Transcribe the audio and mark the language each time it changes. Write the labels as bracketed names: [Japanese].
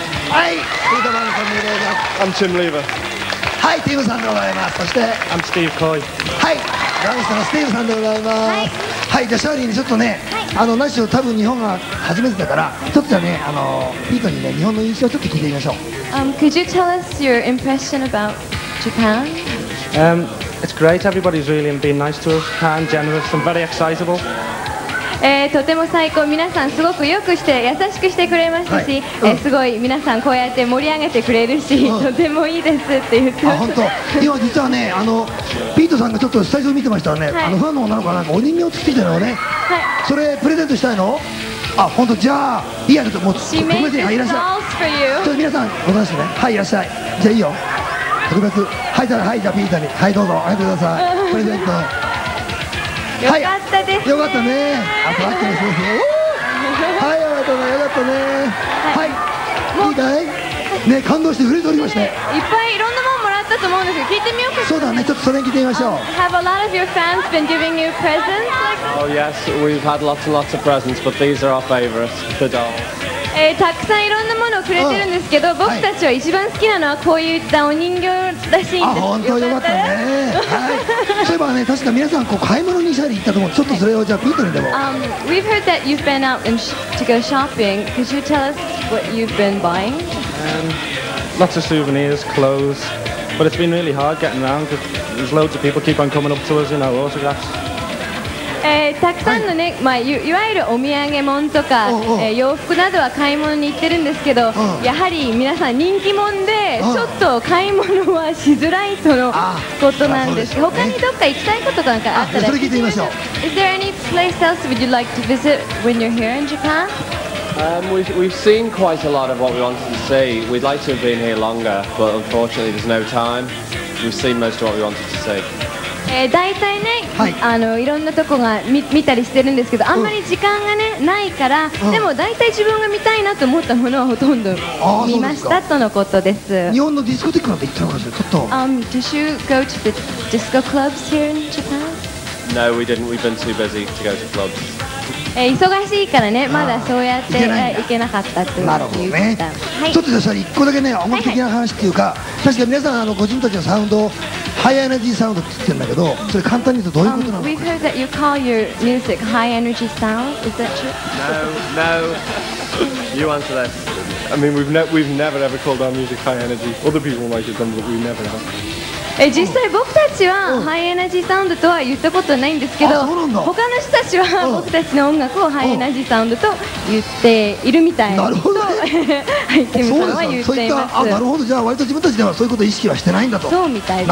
[Japanese] はい、ピートバーンさんでございます。 [English] I'm Tim Lever. [Japanese] はい、ティムさんでございます。そして [English] I'm Steve Coy. [Japanese] はい、ラウンスのスティーブさんでございます。はいはい、じゃあシャーリーにちょっとね、はい、何しろ多分日本が初めてだから、ちょっとじゃあね、ピートにね、日本の印象をちょっと聞いてみましょう。 [English] Could you tell us your impression about Japan? It's great, everybody's really been nice to us, kind, generous and very excitable. [Japanese] とても最高、皆さんすごくよくして優しくしてくれましたし、はい、すごい皆さんこうやって盛り上げてくれるし、とてもいいですって言ってます。あ、本当。今実はね、ピートさんがちょっとスタジオ見てましたらね、はい、ファンの女の子がなんかお人形つきてるのね、はい、それプレゼントしたいの。あ、本当。じゃあいいや、ちょっともう特別に、はい、いらっしゃい、ちょっと皆さんお出しね。はい、いらっしゃい。じゃあいいよ、特別。はい、じゃあ、はい、じゃあピートに、はい、どうぞ、開けてください、プレゼント。はい、よかったですね。よかったね。あとアクティブですね。はい、よかったね、よかったね。はい、はい、いいかいね、感動して震えておりまして、いっぱいいろんなものもらったと思うんですけど、聞いてみようか。そうだね、ちょっとそれに聞いてみましょう。 [English] Have a lot of your fans been giving you presents like that? Oh yes, we've had lots and lots of presents, but these are our favorites, the dolls. [Japanese] たくさんいろんなものをくれてるんですけど、僕たちは一番好きなのはこういったお人形らしいんです。あ、本当、よかったね。はい、そういえばね、確か皆さんこう買い物にシャリ行ったと思う。ちょっとそれをじゃあピートにでも。 [English] We've heard that you've been out and to go shopping. Could you tell us what you've been buying? Lots of souvenirs, clothes, but it's been really hard getting around because there's loads of people keep on coming up to us, you know, autographs. [Japanese] たくさんのね、はい、まあ、いわゆるお土産物とか、洋服などは買い物に行ってるんですけど、やはり皆さん人気者で、ちょっと買い物はしづらいとのことなんです。他にどっか行きたいこととかなんかあったら、それ聞いてみましょう。 [English] Is there any place else would you like to visit when you're here in Japan? We've seen quite a lot of what we wanted to see. We'd like to have been here longer, but unfortunately there's no time. We've seen most of what we wanted to see. [Japanese] だいたいね、はい、いろんなとこが 見たりしてるんですけど、あんまり時間がね、うん、ないから、うん、でもだいたい自分が見たいなと思ったものはほとんど見ましたとのことです。日本のディスコティックなんて行ったのかしら、ちょっと。 [English] Did you go to the disco clubs here in Japan? No, we didn't. We've been too busy to go to clubs. [Japanese] 忙しいからね、まだそうやって行けなかったっていう。なるほどね、はい、ちょっとですね、1個だけね、音楽的な話っていうか、はいはい、確か皆さん個人たちのサウンドをハイエナジーサウンドって言ってるんだけど、それ簡単に言うとどういうことなのか。 [English] We've heard that you call your music high energy sound. Is that true? No, no. You answer that. I mean, we've never ever called our music high energy. Other people might have done, but we never have. [Japanese] 実際僕たちはハイエナジーサウンドとは言ったことないんですけど、他の人たちは僕たちの音楽をハイエナジーサウンドと言っているみたい。なるほどね。はい、そうですね。そういった、あ、なるほど。じゃあ割と自分たちではそういうことを意識はしてないんだと。そうみたいですね。